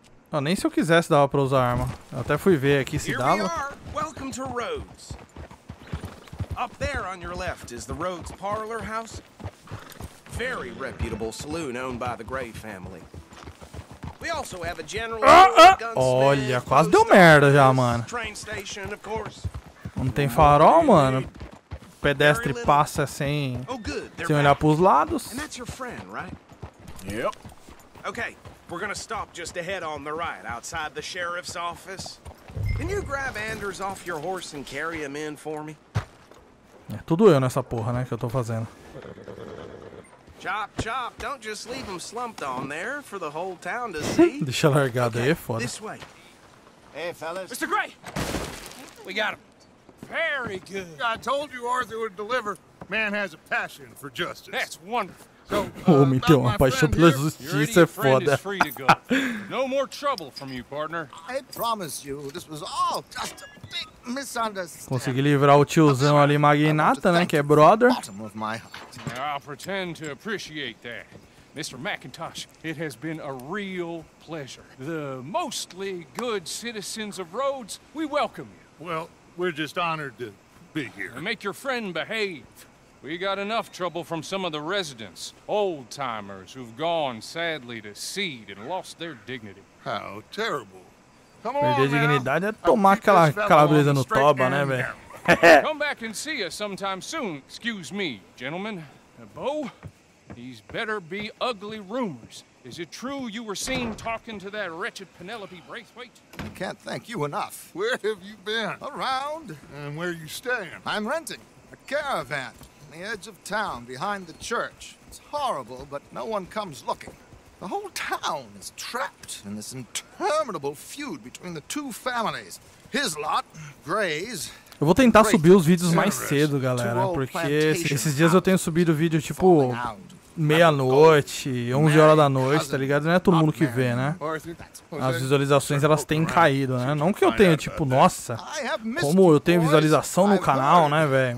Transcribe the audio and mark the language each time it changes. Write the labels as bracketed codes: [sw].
[pt] Não, nem se eu quisesse dava pra usar arma. Eu até fui ver aqui se dava. [en] Welcome to Rhodes. Up there on your left is the Rhodes Parlor House. Very reputable saloon owned by the Gray family. We also have a general. [pt] Olha, quase deu merda já, mano. [en] Train station, of course. [pt] Não tem farol, mano. O pedestre passa sem olhar pros lados. [en] And that's your friend, right? Yep. Okay, we're gonna stop just ahead on the right, outside the sheriff's office. Can you grab Anders off your horse and carry him in for me? [pt] É tudo eu nessa porra, né, que eu tô fazendo. [en] Chop, chop, don't just leave him slumped on there for the whole town to see. [pt] Deixa largado aí, foda. [en] This way. Hey, fellas. Mr. Gray! We got him. Very good. I told you Arthur would deliver. Man has a passion for justice. That's wonderful. [pt] Homem, tem uma paixão pela justiça, é foda. [en] No more trouble from you, partner. I promise you, this was all just a big misunderstanding. Consegui livrar o tiozão ali, magnata, né, que é brother. I'll pretend to appreciate that. Mr. McIntosh, it has been a real pleasure. The mostly good citizens of Rhodes, we welcome you. Well, we're just honored to be here. And make your friend behave. We got enough trouble from some of the residents, old-timers who've gone sadly to seed and lost their dignity. How terrible. Come on, [pt] perder dignidade é tomar aquela calabresa no toba, né, velho? [en] Come back and see us sometime soon. Excuse me, gentlemen. Beau, these better be ugly rumors. Is it true you were seen talking to that wretched Penelope Braithwaite? I can't thank you enough. Where have you been? Around. And where are you staying? I'm renting a caravan. The edge of town, behind the church. It's horrible, but no one comes looking. The whole town is trapped in this interminable feud between the two families. His lot, Gray's. [pt] Eu vou tentar subir os vídeos mais cedo, galera, porque esses dias eu tenho subido vídeo tipo meia-noite, 11 horas da noite, tá ligado? Não é todo mundo que vê, né? As visualizações, elas têm caído, né? Não que eu tenha, tipo, nossa, como eu tenho visualização no canal, né, velho?